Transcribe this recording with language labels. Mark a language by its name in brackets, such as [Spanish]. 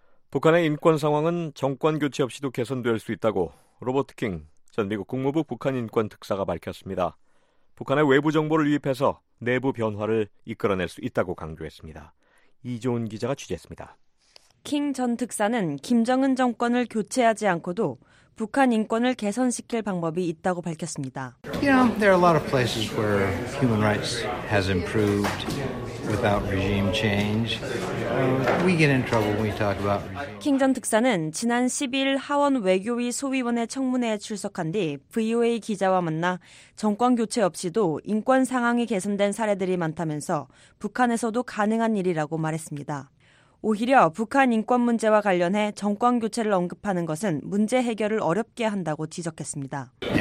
[Korean] 북한의 인권 상황은 정권 교체 없이도 개선될 수 있다고 로버트 킹 전 미국 국무부 북한인권특사가 밝혔습니다. 북한의 외부 정보를 유입해서 내부 변화를 이끌어낼 수 있다고 강조했습니다. 이종훈 기자가 취재했습니다. 킹 전 특사는 김정은 정권을 교체하지 않고도 북한 인권을 개선시킬 방법이 있다고 밝혔습니다. [English] You know, there are a lot of places where human rights has improved without regime change. We get in trouble when we talk about. [Korean] 킹 전 특사는 지난 10일 하원 외교위 소위원회 청문회에 출석한 뒤 VOA 기자와 만나 정권 교체 없이도 인권 상황이 개선된 사례들이 많다면서 북한에서도 가능한 일이라고 말했습니다. 오히려 북한 인권 문제와 관련해 정권 교체를 언급하는 것은 문제 해결을 어렵게 한다고 지적했습니다.